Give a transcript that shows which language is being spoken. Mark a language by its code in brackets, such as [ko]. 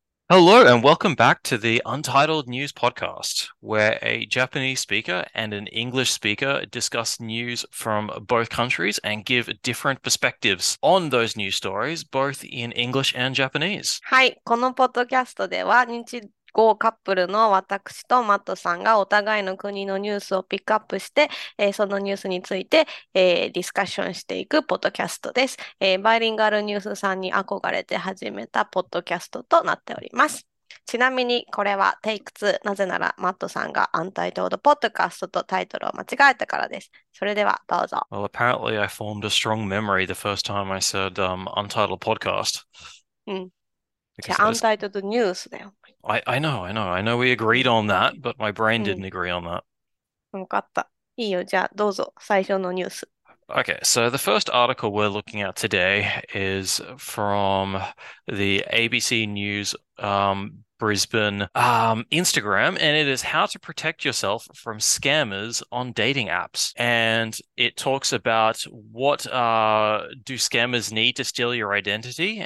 [en] Hello, and welcome back to the Untitled News Podcast, where a Japanese speaker and an English speaker discuss news from both countries and give different perspectives on those news stories, both in English and Japanese. [ja] はい、このポッドキャストでは、日豪カップルの私とマットさんがお互いの国のニュースをピックアップして、そのニュースについて、ディスカッションしていくポッドキャストです。バイリンガルニュースさんに憧れて始めたポッドキャストとなっております。ちなみにこれはテイク2。なぜならマットさんがアンタイトルドポッドキャストとタイトルを間違えたからです。それではどうぞ。 [en] Well, apparently I formed a strong memory the first time I said Untitled Podcast. Because [ja] Untitled News だよ。 [en] I know we agreed on that, but my brain didn't agree on that. [ja] わかった。いいよ、じゃあどうぞ、最初のニュース。 [en] Okay, so the first article we're looking at today is from the ABC News Brisbane Instagram, and it is how to protect yourself from scammers on dating apps. And it talks about what do scammers need to steal your identity?